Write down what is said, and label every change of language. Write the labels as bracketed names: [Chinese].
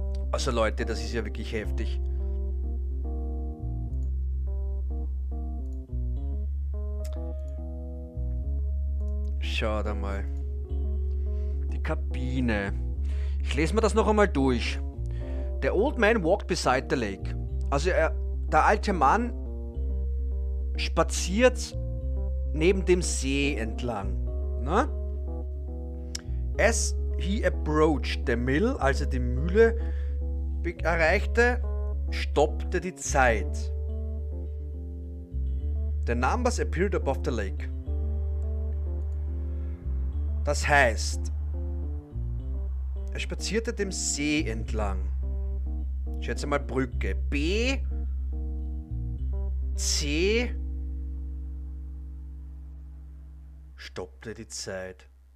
[German] Also Leute, das ist ja wirklich heftig. Schaut einmal. Die Kabine. Ich lese mir das noch einmal durch. [English] The old man walked beside the lake. [German] Also der alte Mann spaziert neben dem See entlang. Ne? [English] As he approached the mill, [German] als er die Mühle erreichte, stoppte die Zeit. [English] The numbers appeared above the lake. [German] Das heißt, er spazierte dem See entlang. Ich schätze mal Brücke. B, C, stoppte die Zeit.